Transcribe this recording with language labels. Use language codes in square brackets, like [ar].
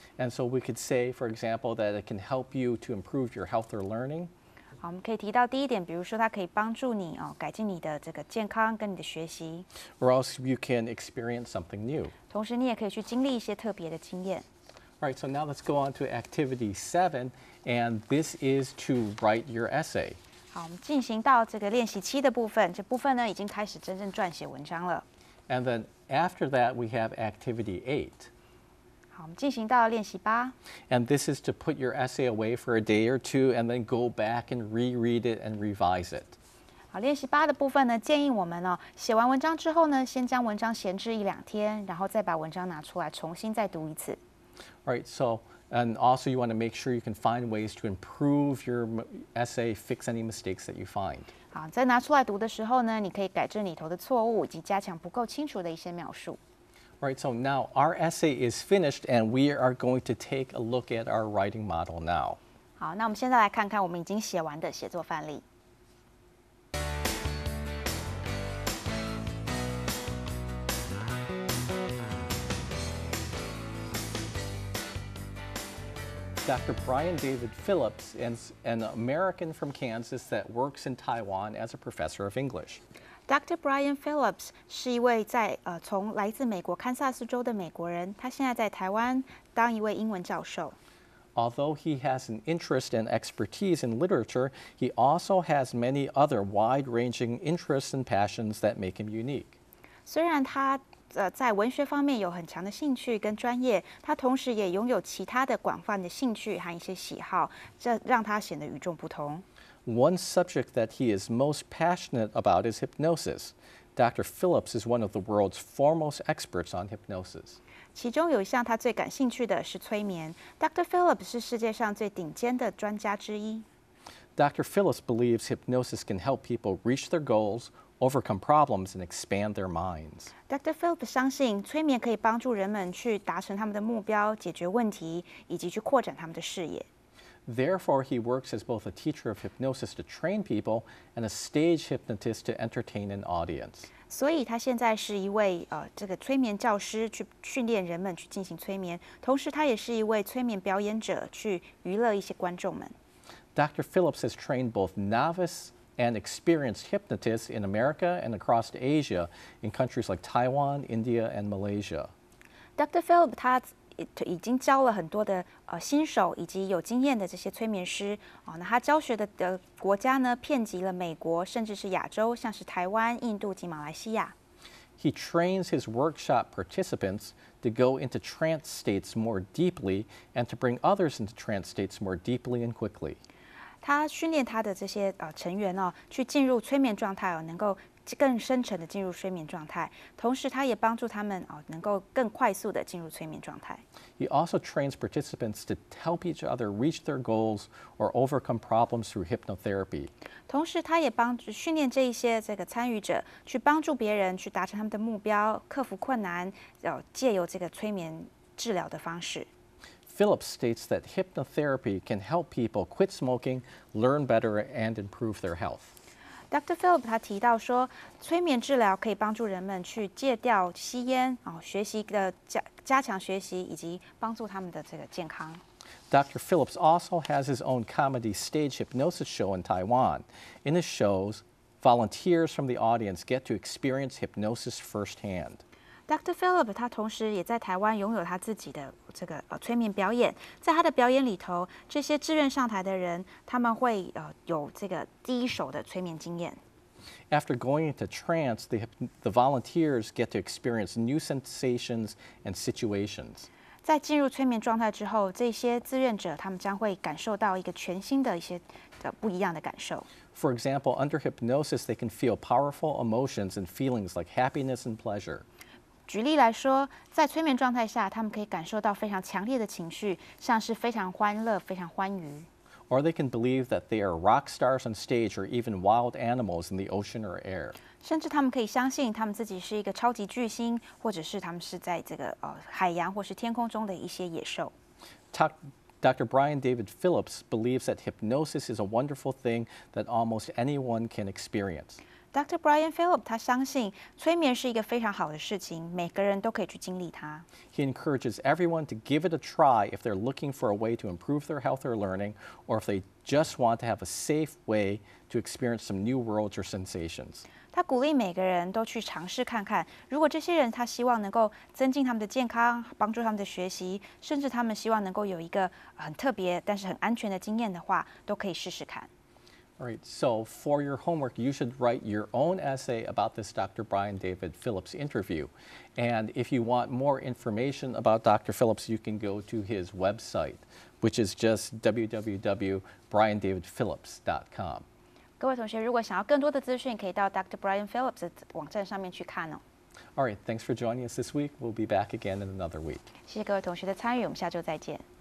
[en] And so we could say, for example, that it can help you to improve your health or learning. [zh] 好，我们可以提到第一点，比如说它可以帮助你哦，改进你的这个健康跟你的学习。 [en] Or else you can experience something new. [zh] 同时，你也可以去经历一些特别的经验。 [en] All right, so now let's go on to activity seven, and this is to write your essay. [zh] 好，我们进行到这个练习七的部分，这部分呢已经开始真正撰写文章了。 [en] And then after that, we have activity eight. [zh] 好，我们进行到练习八。 [en] And this is to put your essay away for a day or two and then go back and reread it and revise it. [zh] 好，练习八的部分呢，建议我们哦，写完文章之后呢，先将文章闲置一两天，然后再把文章拿出来重新再读一次。 [en] Alright, so, and also you want to make sure you can find ways to improve your essay, fix any mistakes that you find. [zh] 好，在拿出来读的时候呢，你可以改正里头的错误，以及加强不够清楚的一些描述。 [en] All right, so now our essay is finished and we are going to take a look at our writing model now. [zh] 好，那我们现在来看看我们已经写完的写作范例。 [en] Dr. Brian David Phillips is an American from Kansas that works in Taiwan as a professor of English. [zh] Dr. Brian Phillips 是一位在从来自美国堪萨斯州的美国人，他现在在台湾当一位英文教授。 [en] Although he has an interest and expertise in literature, he also has many other wide-ranging interests and passions that make him unique. [zh] 虽然他在文学方面有很强的兴趣跟专业，他同时也拥有其他的广泛的兴趣和一些喜好，这让他显得与众不同。 [en] One subject that he is most passionate about is hypnosis. Dr. Phillips is one of the world's foremost experts on hypnosis. [zh] 其中有一项他最感兴趣的是催眠。 Dr. Phillips 是世界上最顶尖的专家之一。 [en] Dr. Phillips believes hypnosis can help people reach their goals, overcome problems, and expand their minds. Dr. [zh] Phillips 相信催眠可以帮助人们去达成他们的目标、解决问题以及去扩展他们的视野。 [en] Therefore, he works as both a teacher of hypnosis to train people and a stage hypnotist to entertain an audience. [zh] 所以他现在是一位这个催眠教师，去训练人们去进行催眠，同时他也是一位催眠表演者，去娱乐一些观众们。 [en] Dr. Phillips has trained both novice and experienced hypnotists in America and across Asia in countries like Taiwan, India, and Malaysia. Dr. [zh] Phillips 他已经教了很多的新手以及有经验的这些催眠师那他教学的国家呢，遍及了美国，甚至是亚洲，像是台湾、印度及马来西亚。 [en] He trains his workshop participants to go into trance states more deeply and to bring others into trance states more deeply and quickly. [zh] 他训练他的这些成员去进入催眠状态能够更深沉的进入睡眠状态，同时他也帮助他们能够更快速的进入睡眠状态。 [en] He also trains participants to help each other reach their goals or overcome problems through hypnotherapy. [zh] 同时他也帮助训练这一些这个参与者去帮助别人去达成他们的目标，克服困难，借由这个催眠治疗的方式。 [en] Phillips states that hypnotherapy can help people quit smoking, learn better, and improve their health. Dr. [zh] Phillips 他提到说，催眠治疗可以帮助人们去戒掉吸烟，学习的加强学习，以及帮助他们的这个健康。 [en] Dr. Phillips also has his own comedy stage hypnosis show in Taiwan. In his shows, volunteers from the audience get to experience hypnosis firsthand. Dr. [zh] Phillips 他同时也在台湾拥有他自己的这个催眠表演，在他的表演里头，这些志愿上台的人，他们会有这个第一手的催眠经验。 [en] After going into trance, the volunteers get to experience new sensations and situations. [zh] 在进入催眠状态之后，这些志愿者他们将会感受到一个全新的一些不一样的感受。 [en] For example, under hypnosis, they can feel powerful emotions and feelings like happiness and pleasure. [zh] 举例来说，在催眠状态下，他们可以感受到非常强烈的情绪，像是非常欢乐、非常欢愉。 [en] Or they can believe that they are rock stars on stage or even wild animals in the ocean or air. [zh] 甚至他们可以相信他们自己是一个超级巨星，或者是他们是在这个海洋或是天空中的一些野兽。 [en] Dr. Brian David Phillips believes that hypnosis is a wonderful thing that almost anyone can experience. [zh] Dr. Brian Phillips 他相信催眠是一个非常好的事情，每个人都可以去经历它。 [en] He encourages everyone to give it a try if they're looking for a way to improve their health or learning, or if they just want to have a safe way to experience some new worlds or sensations. [zh] 他鼓励每个人都去尝试看看，如果这些人他希望能够增进他们的健康，帮助他们的学习，甚至他们希望能够有一个很特别但是很安全的经验的话，都可以试试看。 [en] All right, so for your homework, you should write your own essay about this Dr. Brian David Phillips interview. And if you want more information about Dr. Phillips, you can go to his website, which is just www.briandavidphillips.com. [zh] 各位同学，如果想要更多的资讯，可以到 Dr. Brian Phillips 的网站上面去看哦。 [en] All right, thanks for joining us this week. We'll be back again in another week. [zh] 谢谢各位同学的参与，我们下周再见。